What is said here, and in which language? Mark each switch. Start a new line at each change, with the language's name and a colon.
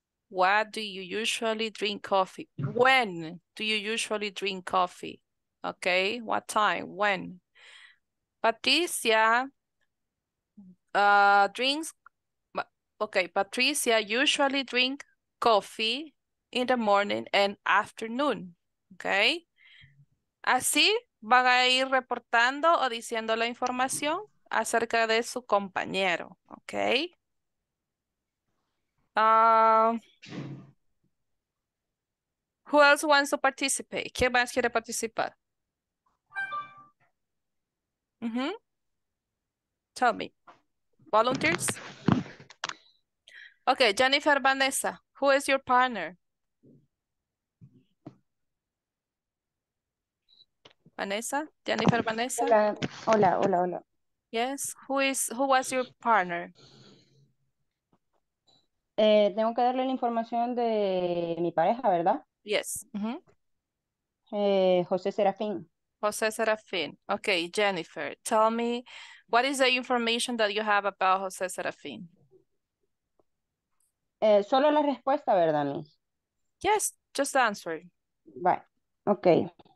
English: What do you usually drink coffee? When do you usually drink coffee? Okay, what time? When? Patricia drinks. Okay, Patricia usually drink coffee in the morning and afternoon.
Spanish: Okay, así van a ir reportando o diciendo la información acerca de su compañero.
English: Okay. Who else wants to participate?
Spanish: ¿Quién más quiere participar?
English: Mm-hmm. Tell me. Volunteers? Okay, Jennifer Vanessa, who is your partner? Vanessa? Jennifer Vanessa?
Spanish: Hola, hola, hola.
English: Yes, who was your partner?
Spanish: Tengo que darle la información de mi pareja, ¿verdad?
English: Yes. Mm-hmm. José Serafín. José Serafín. Okay, Jennifer, tell me, what is the information that you have about José Serafín?
Spanish: Solo la respuesta, ¿verdad, mi?
English: Yes, just answer. Right. Okay.